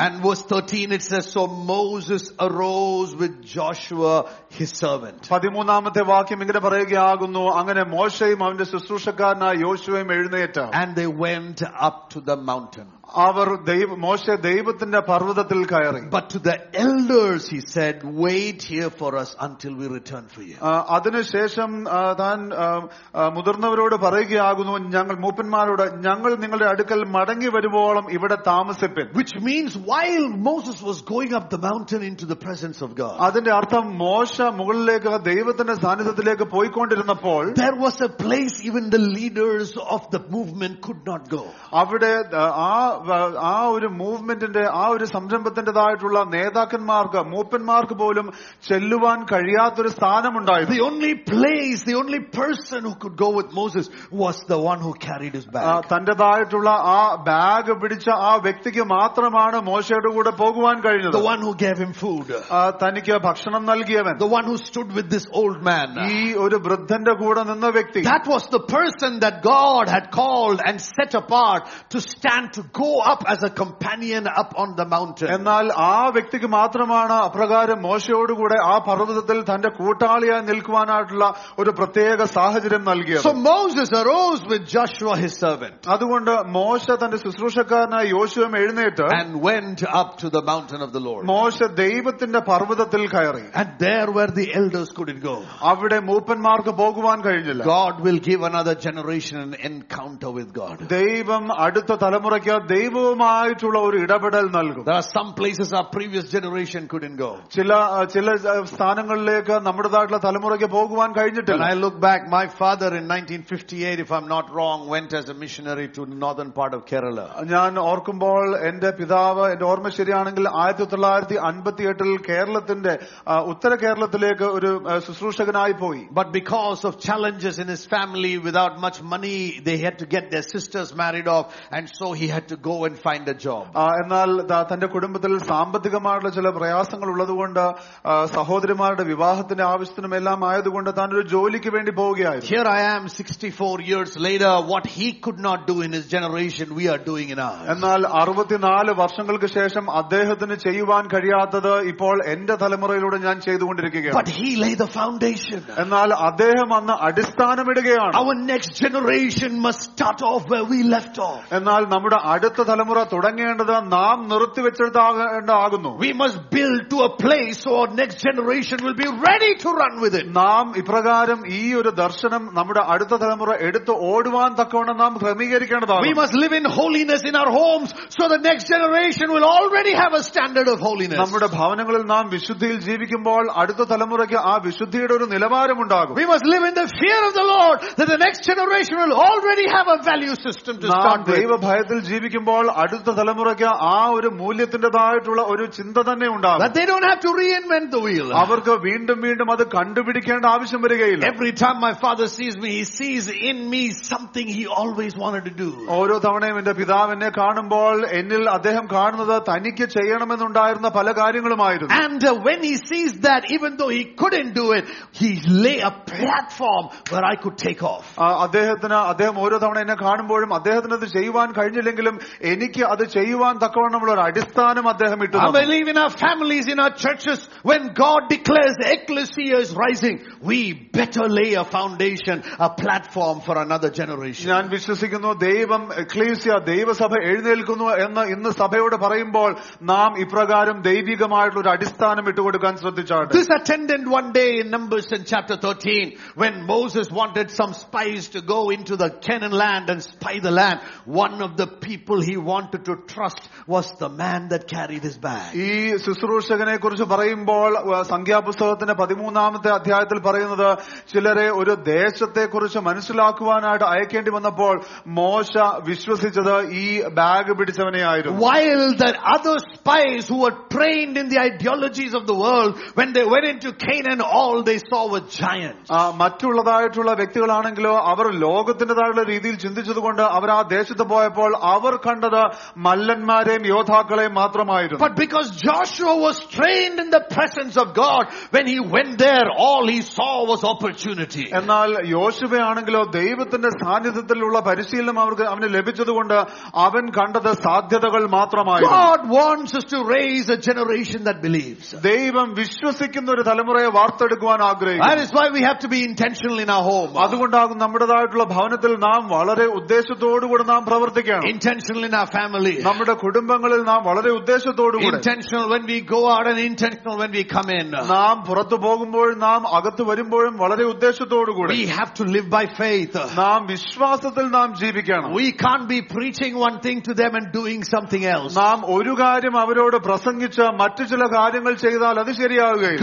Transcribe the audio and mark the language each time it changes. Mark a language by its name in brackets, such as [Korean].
[English] And verse 13 it says so Moses arose with Joshua his servant. [Malayalam] 13ാമത്തെ വാക്യം ഇങ്ങനെ പറയുകയാകുന്നു, അങ്ങനെ മോശയും അവന്റെ ശുശ്രൂഷക്കാരനായ യോശുവയും എഴുന്നേറ്റ്. [English] And they went up to the mountain. [Malayalam] അവർ മോശ ദൈവത്തിന്റെ പർവ്വതത്തിൽ കയറി. [English] But to the elders he said, wait here for us until we return for you. [Malayalam] അതിനുശേഷം താൻ മുതിർന്നവരോട് പറയുകയാകുന്നു, ഞങ്ങൾ മൂപ്പന്മാരോട്, ഞങ്ങൾ നിങ്ങളുടെ അടുക്കൽ മടങ്ങി വരുവോളം ഇവിടെ താമസിപ്പിൻ. [English] Which means while Moses was going up the mountain into the presence of God. [Malayalam] അതിന്റെ അർത്ഥം മോശ മുകളിലേക്ക് ദൈവത്തിന്റെ സാന്നിധ്യത്തിലേക്ക് പോയിക്കൊണ്ടിരുന്നപ്പോൾ [English] there was a place even the leaders of the movement could not go. [Malayalam] അവിടെ ആ ഒരു മൂവ്മെന്റിന്റെ ആ ഒരു സംരംഭത്തിന്റേതായിട്ടുള്ള നേതാക്കന്മാർക്ക് മൂപ്പന്മാർക്ക് പോലും ചെല്ലുവാൻ കഴിയാത്തൊരു സ്ഥാനമുണ്ടായിരുന്നു. [English] The only place the only person who could go with Moses was the one who carried his bag. [Malayalam] തന്റേതായിട്ടുള്ള ആ bag പിടിച്ച ആ വ്യക്തിക്ക് മാത്രമാണ് മോശയുടെ കൂടെ പോകുവാൻ കഴിഞ്ഞത്. [English] the one who gave him food, [Malayalam] തനിക്ക് ഭക്ഷണം നൽകിയവൻ. [English] the one who stood with this old man, [Malayalam] ഈ ഒരു വൃദ്ധന്റെ കൂടെ നിന്ന വ്യക്തി. [English] That was the person that God had called and set apart to stand to go up as a companion up on the mountain. [Malayalam] എന്നാൽ ആ വ്യക്തിക്ക് മാത്രമാണ് അപ്രകാരം മോശയോട് കൂടെ ആ പർവ്വതത്തിൽ തന്റെ കൂട്ടാളിയായി നിൽക്കുവാനായിട്ടുള്ള ഒരു പ്രത്യേക സാഹചര്യം നൽകിയത്. [English] So Moses arose with Joshua his servant. [Malayalam] അതുകൊണ്ട് മോശ തന്റെ ശുശ്രൂഷക്കാരനായ യോശുവ എഴുന്നേറ്റ് [English] and went up to the mountain of the Lord. [Malayalam] മോശ ദൈവത്തിന്റെ പർവ്വതത്തിൽ കയറി. [English] And there were the elders couldn't go. [Malayalam] അവിടെ മൂപ്പന്മാർക്ക് പോകുവാൻ കഴിഞ്ഞില്ല. [English] God will give another generation an encounter with God. [Malayalam] ദൈവം അടുത്ത തലമുറയ്ക്ക് ദൈവവുമായിട്ടുള്ള ഒരു ഇടപെടൽ നൽകും. [English] There are some places our previous generation couldn't go. [Malayalam] ചില സ്ഥാനങ്ങളിലേക്ക് നമ്മുടേതായിട്ടുള്ള തലമുറയ്ക്ക് പോകുവാൻ കഴിഞ്ഞിട്ടില്ല. [English] I look back, my father in 1958, if I'm not wrong, went as a missionary to the northern part of Kerala. [Malayalam] ഞാൻ ഓർക്കുമ്പോൾ എന്റെ പിതാവ്, എന്റെ ഓർമ്മ ശരിയാണെങ്കിൽ 1958 കേരളത്തിന്റെ ഉത്തര കേരളത്തിലേക്ക് ഒരു ശുശ്രൂഷകനായി പോയി. [English] But because of challenges in his family, without much money, they had to get their sisters married off, and so he had to go go and find a job. [Malayalam] എന്നാൽ തന്റെ കുടുംബത്തിൽ സാമ്പത്തികമായിട്ടുള്ള ചില പ്രയാസങ്ങൾ ഉള്ളതുകൊണ്ട് സഹോദരിമാരുടെ വിവാഹത്തിന്റെ ആവശ്യത്തിനും എല്ലാം ആയതുകൊണ്ട് താൻ ഒരു ജോലിക്ക് വേണ്ടി പോവുകയായിരുന്നു. [English] Here I am 64 years later, what he could not do in his generation, we are doing in ours. [Malayalam] എന്നാൽ 64 വർഷങ്ങൾക്ക് ശേഷം അദ്ദേഹത്തിന് ചെയ്യുവാൻ കഴിയാത്തത് ഇപ്പോൾ എന്റെ തലമുറയിലൂടെ ഞാൻ ചെയ്തുകൊണ്ടിരിക്കുകയാണ്. [English] But he laid the foundation. [Malayalam] എന്നാൽ അദ്ദേഹം അന്ന് അടിസ്ഥാനം ഇടുകയാണ്. [English] Our next generation must start off where we left off. [Malayalam] എന്നാൽ നമ്മുടെ അടുത്ത തലമുറ തുടങ്ങേണ്ടത് നാം നിർത്തിവെച്ചെടുത്താകുന്നു. [English] We must build to a place so our next generation will be ready to run with it. [Malayalam] നാം ഇപ്രകാരം ഈ ഒരു ദർശനം നമ്മുടെ അടുത്ത തലമുറ എടുത്തു ഓടുവാൻ തക്കവണ്ണം നാം ക്രമീകരിക്കേണ്ടതാണ്. [English] We must live in holiness in our homes so the next generation will already have a standard of holiness. [Malayalam] നമ്മുടെ ഭവനങ്ങളിൽ നാം വിശുദ്ധിയിൽ ജീവിക്കുമ്പോൾ അടുത്ത തലമുറയ്ക്ക് ആ വിശുദ്ധിയുടെ ഒരു നിലവാരം ഉണ്ടാകും. [English] We must live in the fear of the Lord that the next generation will already have a value system to start with. [Malayalam] ദൈവ ഭയത്തിൽ ജീവിക്കുമ്പോൾ അടുത്ത തലമുറയ്ക്ക് ആ ഒരു മൂല്യത്തിന്റേതായിട്ടുള്ള ഒരു ചിന്ത തന്നെ ഉണ്ടാകും. [English] That they don't have to reinvent the wheel. [Malayalam] അവർക്ക് വീണ്ടും വീണ്ടും അത് കണ്ടുപിടിക്കേണ്ട ആവശ്യം വരികയില്ല. [English] Every time my father sees me, he sees in me something he always wanted to do. [Malayalam] ഓരോ തവണയും എന്റെ പിതാവ് എന്നെ കാണുമ്പോൾ എന്നിൽ അദ്ദേഹം കാണുന്നത് തനിക്ക് ചെയ്യണമെന്നുണ്ടായിരുന്ന പല കാര്യങ്ങളുമായിരുന്നു. [English] And when he sees that, even though he couldn't do it, he lay a platform where I could take off. [Malayalam] അദ്ദേഹത്തിന് അദ്ദേഹം ഓരോ തവണ എന്നെ കാണുമ്പോഴും അദ്ദേഹത്തിന് അത് ചെയ്യുവാൻ കഴിഞ്ഞില്ലെങ്കിലും എനിക്ക് അത് ചെയ്യുവാൻ തക്കവണ്ണമുള്ള ഒരു അടിസ്ഥാനം അദ്ദേഹം ഇട്ടു. [English] I believe in our families, in our churches, when God declares ecclesia is rising, we better lay a foundation, a platform for another generation. [Malayalam] ഞാൻ വിശ്വസിക്കുന്നു ദൈവം ecclesia ദൈവസഭ എഴുന്നേൽക്കുന്നു എന്ന് ഇന്ന് സഭയോട് പറയുമ്പോൾ നാം ഇപ്രകാരം ദൈവികമായിട്ടുള്ള ഒരു അടിസ്ഥാനം ഇട്ടുകൊടുക്കാൻ ശ്രദ്ധിച്ചാട്ടെ. [English] This attendant one day in Numbers in chapter 13, when Moses wanted some spies to go into the Canaan land and spy the land, one of the people he wanted to trust was the man that carried his bag. [Malayalam] ഈ ശുശ്രൂഷകനെ കുറിച്ച് പറയുമ്പോൾ സംഖ്യാപുസ്തകത്തിന്റെ 13-ാമത്തെ അധ്യായത്തിൽ പറയുന്നത് ചിലരെ ഒരു ദേശത്തെ കുറിച്ച് മനസ്സിലാക്കുവാനായിട്ട് അയക്കേണ്ടി വന്നപ്പോൾ മോശ വിശ്വസിച്ചത് ഈ bag പിടിച്ചവനെയായിരുന്നു. [English] While the other spies who were trained in the ideologies of the world, when they went into Canaan, all they saw were giants. [Malayalam] മറ്റുള്ളതായിട്ടുള്ള വ്യക്തികളാണെങ്കിലോ അവർ ലോകത്തിന്റേതായുള്ള രീതിയിൽ ചിന്തിച്ചതുകൊണ്ട് അവർ ആ ദേശത്ത് പോയപ്പോൾ അവർ കണ്ടത് മല്ലന്മാരെയും യോദ്ധാക്കളെയും മാത്രമായിരുന്നു. [English] But because Joshua was trained in the presence of God, when he went there, all he saw was opportunity. [Malayalam] എന്നാൽ യോശുവയാണെങ്കിലോ ദൈവത്തിന്റെ സാന്നിധ്യത്തിലുള്ള പരിശീലനം അവർക്ക് അവന് ലഭിച്ചതുകൊണ്ട് അവൻ കണ്ടത് സാധ്യതകൾ മാത്രമായിരുന്നു. [English] God wants us to raise a generation that believes. [Malayalam] ദൈവം വിശ്വസിക്കുന്ന ഒരു തലമുറയെ വാർത്തെടുക്കുവാൻ ആഗ്രഹിക്കുന്നു. [English] That is why we have to be intentional in our home. [Malayalam] അതുകൊണ്ടാകും നമ്മുടേതായിട്ടുള്ള ഭവനത്തിൽ നാം വളരെ ഉദ്ദേശത്തോടുകൂടി നാം പ്രവർത്തിക്കണം. [English] Intentional in our family. [Malayalam] നമ്മുടെ കുടുംബങ്ങളിൽ നാം വളരെ ഉദ്ദേശത്തോടുകൂടി. [English] Intentional when we go out and intentional when we come in. [Malayalam] നാം പുറത്തു പോകുമ്പോഴും നാം അകത്തു വരുമ്പോഴും വളരെ ഉദ്ദേശത്തോടുകൂടി. [English] We have to live by faith. [Malayalam] നാം വിശ്വാസത്തിൽ നാം ജീവിക്കണം. [English] We can't be preaching one thing to them and doing something else. [Malayalam] നാം ഒരു കാര്യം അവരോട് പ്രസംഗിച്ച് മറ്റു ചില കാര്യങ്ങൾ ചെയ്താൽ അത് ശരിയാവുകയില്ല.